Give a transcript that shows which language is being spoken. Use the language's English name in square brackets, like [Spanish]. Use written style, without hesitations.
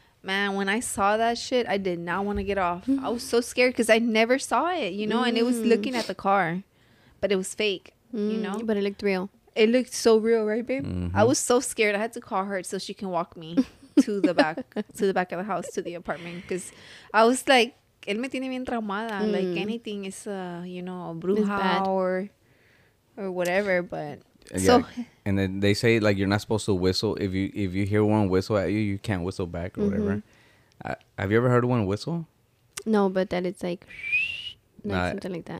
[English] Man, when I saw that shit, I did not want to get off. I was so scared because I never saw it, you know? Mm-hmm. And it was looking at the car. But it was fake, you know? But it looked real. It looked so real, right, babe? Mm-hmm. I was so scared. I had to call her so she can walk me to the back of the house, to the apartment. Because I was like, [Spanish] él me tiene bien traumada. [English] Mm. Like, anything is, you know, a bruja or whatever. But yeah. So. And then they say, like, you're not supposed to whistle. If you hear one whistle at you, you can't whistle back or whatever. Have you ever heard one whistle? No, but that it's like, something like that.